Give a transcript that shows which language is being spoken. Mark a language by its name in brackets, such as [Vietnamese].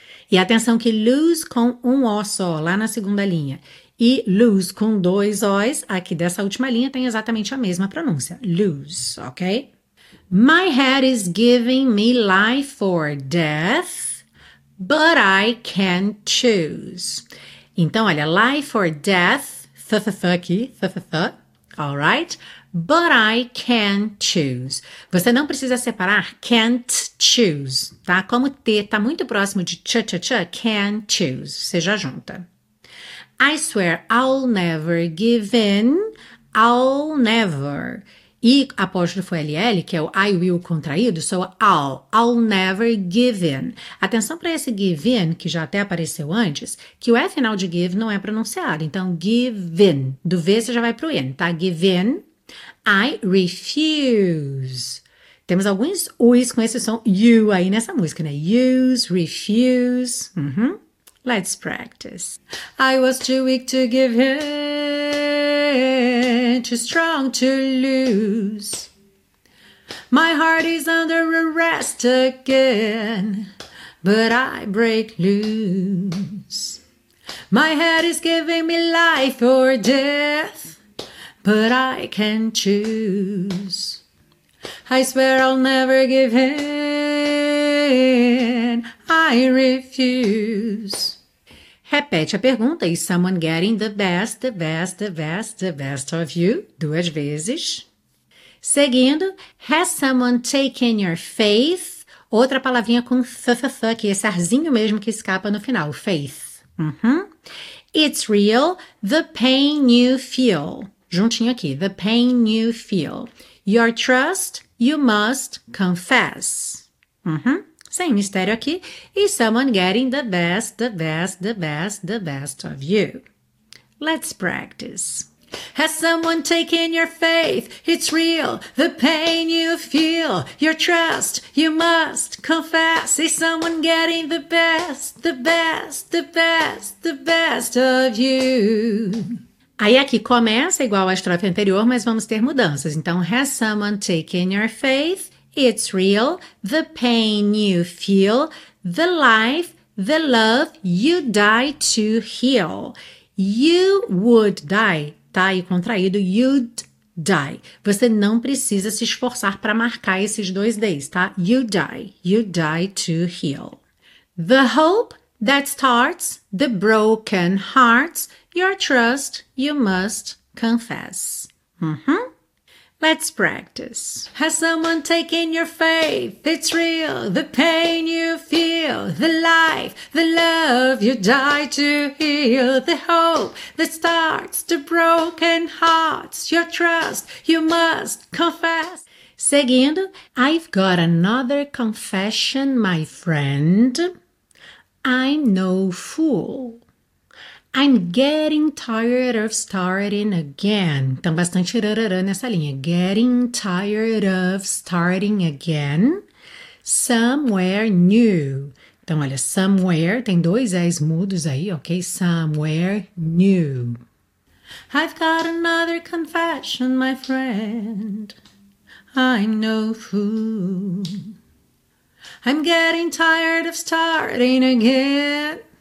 [Portuguese] E atenção que lose com um O só, lá na segunda linha. E lose com dois Os, aqui dessa última linha, tem exatamente a mesma pronúncia. [English] Lose, ok? My head is giving me life or death, but I can choose. [Portuguese] Então, olha, [English] life or death, [Portuguese] aqui, [English] all right? But I can choose. [Portuguese] Você não precisa separar [English] can't choose, [Portuguese] tá? Como T tá muito próximo de cha-cha-cha, [English] can choose. [Portuguese] Você já junta. [English] I swear I'll never give in, I'll never. [Portuguese] E apóstrofo LL, que é o I will contraído, sou [English] I'll never give in. [Portuguese] Atenção para esse give in, que já até apareceu antes, que o F final de give não é pronunciado. Então, give in. Do V você já vai pro N, tá? Give in. [English] I refuse. [Portuguese] Temos alguns U's com esse som U aí nessa música, né? [English] Use, refuse. Let's practice. I was too weak to give in, too strong to lose. My heart is under arrest again, but I break loose. My head is giving me life or death, but I can choose. I swear I'll never give in, I refuse. [Portuguese] Repete a pergunta: [English] Is someone getting the best of you? [Portuguese] Duas vezes. Seguindo, [English] has someone taken your faith? [Portuguese] Outra palavrinha com que é esse arzinho mesmo que escapa no final, faith. [English] It's real, the pain you feel. [Portuguese] Juntinho aqui, [English] the pain you feel. Your trust, you must confess. [Portuguese] Sem mistério aqui. [English] Is someone getting the best of you? Let's practice. Has someone taken your faith? It's real, the pain you feel. Your trust, you must confess. Is someone getting the best of you? [Portuguese] Aí aqui começa igual à estrofe anterior, mas vamos ter mudanças. [English] Então, has someone taken your faith? It's real, the pain you feel, the life, the love you die to heal. You would die, [Portuguese] tá aí contraído, [English] you'd die. [Portuguese] Você não precisa se esforçar para marcar esses dois Ds, tá? [English] You die to heal. The hope that starts the broken hearts, your trust you must confess. Let's practice. Has someone taken your faith? It's real, the pain you feel, the life, the love you die to heal, the hope that starts the broken hearts, your trust you must confess. Seguindo, I've got another confession, my friend. I'm no fool. I'm getting tired of starting again. [Portuguese] Então, bastante rarara nessa linha. [English] Getting tired of starting again. Somewhere new. [Portuguese] Então, olha, somewhere, tem dois S mudos aí, ok? [English] Somewhere new. I've got another confession, my friend. I'm no fool. I'm getting tired of starting again.